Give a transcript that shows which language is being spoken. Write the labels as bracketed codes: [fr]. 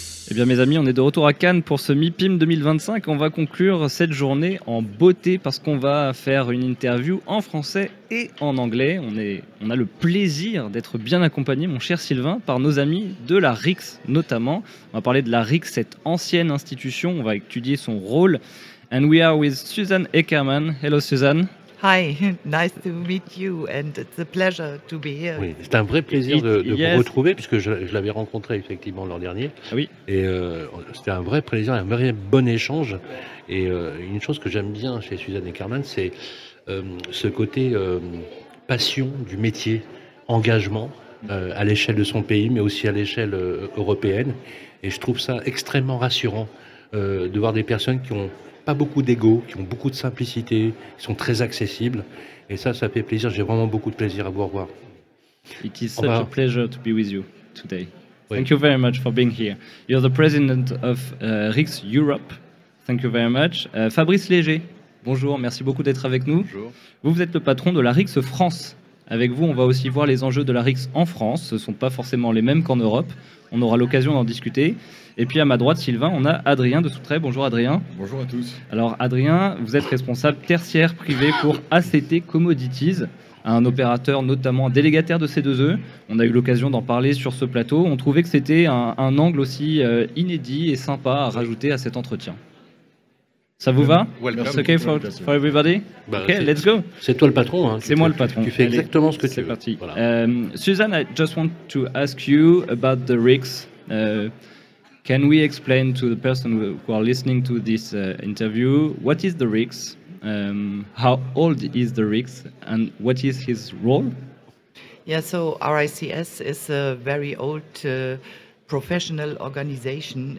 [fr] Eh bien mes amis, on est de retour à Cannes pour ce MIPIM 2025. On va conclure cette journée en beauté parce qu'on va faire une interview en français et en anglais. On a le plaisir d'être bien accompagné, mon cher Sylvain, par nos amis de la RIX notamment. On va parler de la RIX, cette ancienne institution. On va étudier son rôle. [en] And we are with Susan Eckermann. Hello Susan. Hi, nice to meet you and it's a pleasure to be here. [fr] Oui, c'est un vrai plaisir de vous retrouver puisque je l'avais rencontré effectivement l'an dernier. Oui. Et c'était un vrai plaisir, un vrai bon échange. Et une chose que j'aime bien chez Susan Eckermann, c'est ce côté passion du métier, engagement à l'échelle de son pays, mais aussi à l'échelle européenne. Et je trouve ça extrêmement rassurant de voir des personnes qui ont pas beaucoup d'ego, qui ont beaucoup de simplicité, qui sont très accessibles. Et ça, ça fait plaisir. J'ai vraiment beaucoup de plaisir à vous revoir. [en] It is such a pleasure to be with you today. Oui. Thank you very much for being here. You're the president of RIX Europe. Thank you very much. Fabrice Léger, bonjour. [fr] Merci beaucoup d'être avec nous. Bonjour. Vous êtes le patron de la RIX France. Avec vous, on va aussi voir les enjeux de la RIX en France. Ce ne sont pas forcément les mêmes qu'en Europe. On aura l'occasion d'en discuter. Et puis à ma droite, Sylvain, on a Adrien de Soutray. Bonjour Adrien. Bonjour à tous. Alors Adrien, vous êtes responsable tertiaire privé pour ACT Commodities, un opérateur notamment délégataire de C2E. On a eu l'occasion d'en parler sur ce plateau. On trouvait que c'était un angle aussi inédit et sympa à rajouter à cet entretien. Ça vous va? [en] Welcome. It's okay for everybody? Bah, okay, let's go. [fr] C'est toi le patron. Hein, c'est moi le patron. Tu fais exactement ce que c'est tu veux. C'est parti. Voilà. [en] Susan, I just want to ask you about the RIX. Can we explain to the person who are listening to this interview, what is the RIX? How old is the RIX? And what is his role? Yeah, so RICS is a very old professional organization.